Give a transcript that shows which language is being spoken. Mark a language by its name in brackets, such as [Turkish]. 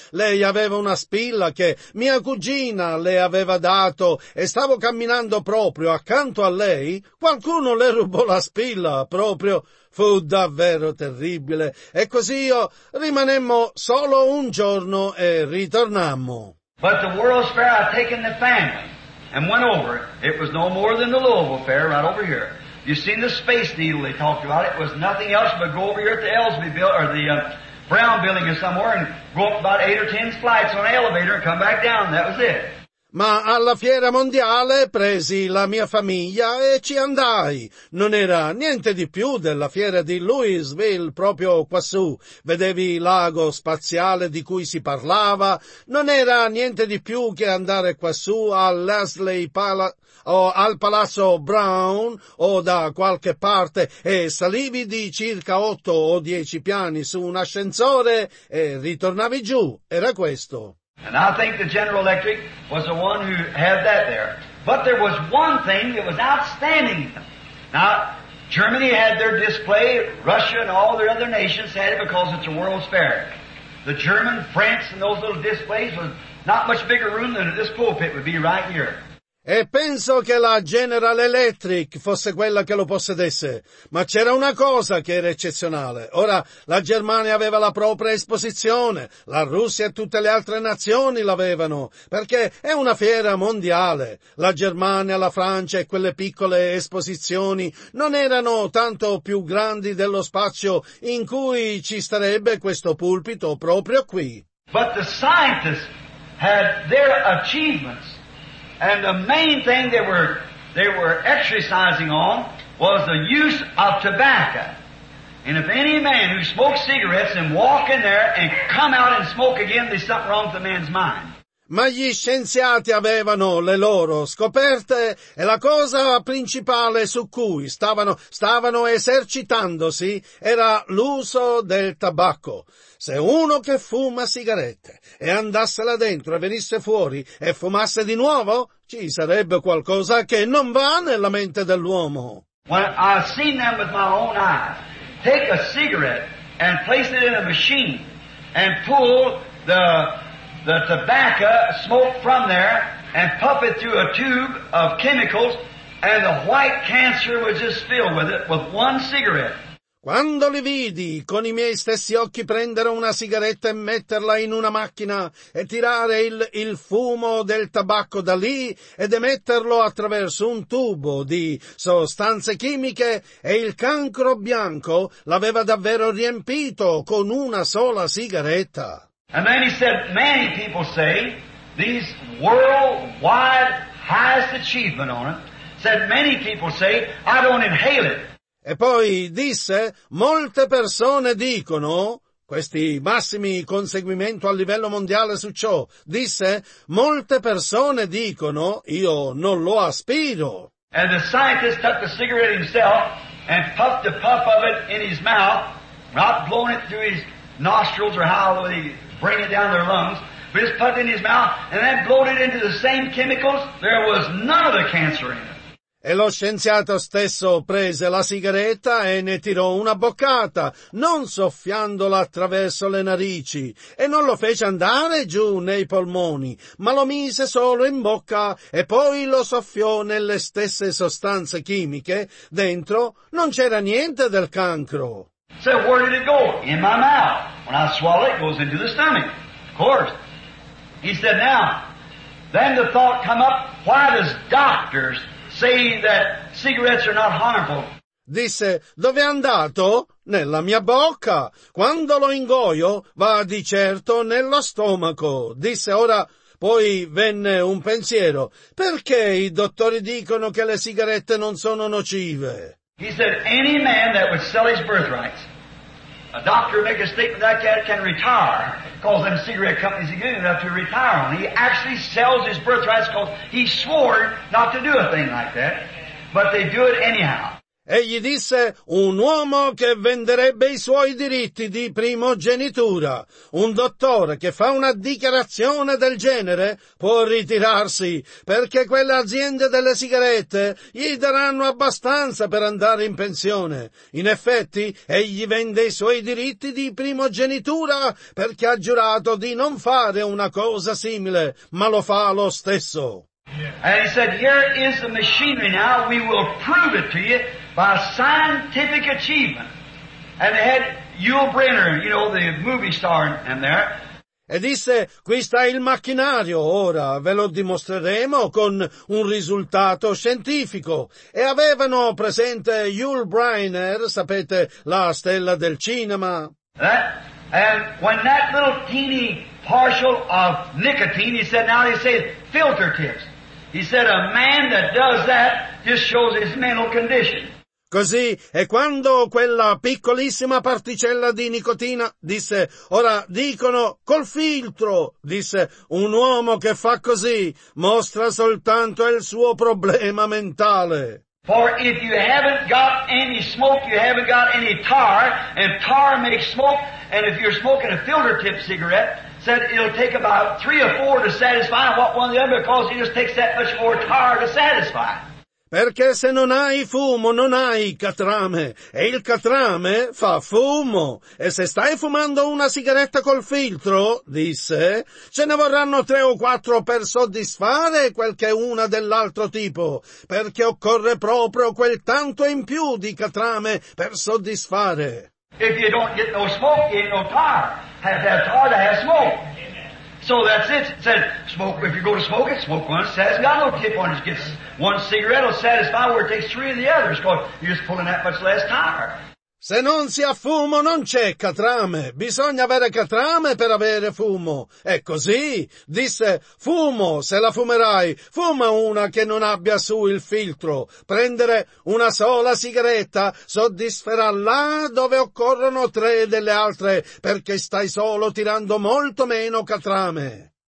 [Italian] Lei aveva una spilla che mia cugina le aveva dato e stavo camminando proprio accanto a lei, qualcuno le rubò la spilla proprio. Fu davvero terribile. E così io rimanemmo solo un giorno e ritornammo. [English] But the World's Fair had taken the family and went over. It was no more than the Louisville Fair right over here. You seen the Space Needle they talked about? It was nothing else but go over here at the Ellsby Building or the Brown Building or somewhere and go up about 8 or 10 flights on an elevator and come back down. That was it. [Italian] Ma alla fiera mondiale presi la mia famiglia e ci andai. Non era niente di più della fiera di Louisville proprio quassù. Vedevi il lago spaziale di cui si parlava. Non era niente di più che andare quassù all'Astley Palace o al Palazzo Brown o da qualche parte e salivi di circa 8 o 10 piani su un ascensore e ritornavi giù. Era questo. [English] And I think the General Electric was the one who had that there. But there was one thing that was outstanding. Now, Germany had their display, Russia and all their other nations had it because it's a World's Fair. The German, France and those little displays was not much bigger room than this pulpit would be right here. [Italian] E penso che la General Electric fosse quella che lo possedesse. Ma c'era una cosa che era eccezionale. Ora, la Germania aveva la propria esposizione, la Russia e tutte le altre nazioni l'avevano, perché è una fiera mondiale. La Germania, la Francia e quelle piccole esposizioni non erano tanto più grandi dello spazio in cui ci starebbe questo pulpito proprio qui. [English] But the scientists had their achievements. And the main thing they were exercising on was the use of tobacco. And if any man who smokes cigarettes and walk in there and come out and smoke again, there's something wrong with the man's mind. [Italian] Ma gli scienziati avevano le loro scoperte e la cosa principale su cui stavano esercitandosi era l'uso del tabacco. Se uno che fuma sigarette e andasse là dentro e venisse fuori e fumasse di nuovo, ci sarebbe qualcosa che non va nella mente dell'uomo. [English] When I've seen them with my own eyes, take a cigarette and place it in a machine and pull the tobacco smoke from there and puff it through a tube of chemicals and the white cancer was just filled with it with one cigarette. [Italian] Quando li vidi con i miei stessi occhi prendere una sigaretta e metterla in una macchina e tirare il fumo del tabacco da lì ed emetterlo attraverso un tubo di sostanze chimiche e il cancro bianco l'aveva davvero riempito con una sola sigaretta. [English] And then he said, many people say, these worldwide highest achievement on it, said many people say, I don't inhale it. [Italian] E poi disse, molte persone dicono, questi massimi conseguimento a livello mondiale su ciò, disse, molte persone dicono, io non lo aspiro. [English] And the scientist took the cigarette himself and puffed a puff of it in his mouth, not blowing it through his nostrils or how he bring it down their lungs, but just puffed in his mouth and then blowed it into the same chemicals, there was none of the cancer in it. [Italian] E lo scienziato stesso prese la sigaretta e ne tirò una boccata, non soffiandola attraverso le narici, e non lo fece andare giù nei polmoni, ma lo mise solo in bocca e poi lo soffiò nelle stesse sostanze chimiche. Dentro non c'era niente del cancro. [English] So where did it go? In my mouth. When I swallow it, it goes into the stomach. Of course. He said, now, then the thought come up, why does doctors say that cigarettes are not harmful? [Italian] Disse, dove è andato? Nella mia bocca. Quando lo ingoio, va di certo nello stomaco. Disse, ora, poi venne un pensiero. Perché i dottori dicono che le sigarette non sono nocive? [English] He said, any man that would sell his birthrights, a doctor make a statement like that can retire, because them cigarette companies are good enough to retire on. He actually sells his birthrights because he swore not to do a thing like that, but they do it anyhow. [Italian] E gli disse, un uomo che venderebbe i suoi diritti di primogenitura, un dottore che fa una dichiarazione del genere, può ritirarsi, perché quelle aziende delle sigarette gli daranno abbastanza per andare in pensione. In effetti, egli vende i suoi diritti di primogenitura perché ha giurato di non fare una cosa simile, ma lo fa lo stesso. [English] And he said, here is the machinery now, we will prove it to you by scientific achievement. And they had Yul Brynner, you know, the movie star in there. [Italian] E disse, qui sta il macchinario, ora ve lo dimostreremo con un risultato scientifico. E avevano presente Yul Brynner, sapete, la stella del cinema. [English] That, and when that little teeny partial of nicotine. He said, now they say filter tips. He said, a man that does that just shows his mental condition. [Italian] Così, e quando quella piccolissima particella di nicotina, disse, ora dicono col filtro, disse, un uomo che fa così mostra soltanto il suo problema mentale. [English] For if you haven't got any smoke, you haven't got any tar, and tar makes smoke, and if you're smoking a filter tip cigarette, said it'll take about three or four to satisfy what one or the other, because it just takes that much more tar to satisfy. [Italian] Perché se non hai fumo, non hai catrame, e il catrame fa fumo. E se stai fumando una sigaretta col filtro, disse, ce ne vorranno tre o quattro per soddisfare quel che è una dell'altro tipo, perché occorre proprio quel tanto in più di catrame per soddisfare. [English] If you don't get no smoke, you ain't no tar. Have tar to have smoke. So that's it. It said, smoke, if you go to smoke it, smoke one. It hasn't got no tip on it. Just gets one cigarette will satisfy where it takes three of the others, because you're just pulling that much less tar. [Italian] Se non si ha fumo, non c'è catrame. Bisogna avere catrame per avere fumo. È così. Disse, fumo, se la fumerai, fuma una che non abbia su il filtro. Prendere una sola sigaretta soddisferà là dove occorrono tre delle altre, perché stai solo tirando molto meno catrame.